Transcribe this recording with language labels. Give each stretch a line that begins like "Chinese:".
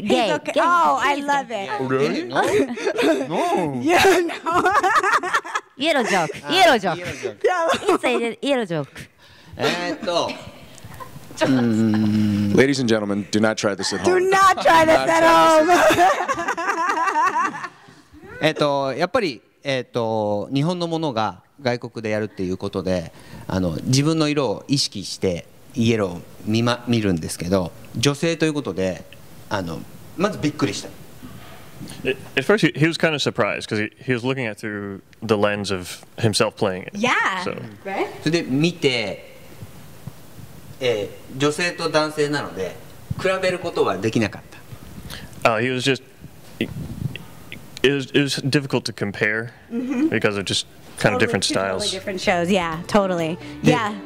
English: He's okay. Oh, he's I love it. Really? No. Yeah, no. Yellow joke. Yellow joke. It's a yellow joke. And ladies and gentlemen, do not try this at home. Do not try this at home.
Japanese: やっぱり、日本のものが外国でやるっていうことで自分の色を意識してイエローを 見るんですけど女性ということでまずびっくりした
English: At first he was kind of surprised because he was looking at through the lens of himself playing it Yeah, so. right?
Japanese: それで見て、女性と男性なので比べることはできなかった
English: He was justIt was difficult to compare because of just kind of different styles. Totally different shows, yeah, totally. Yeah.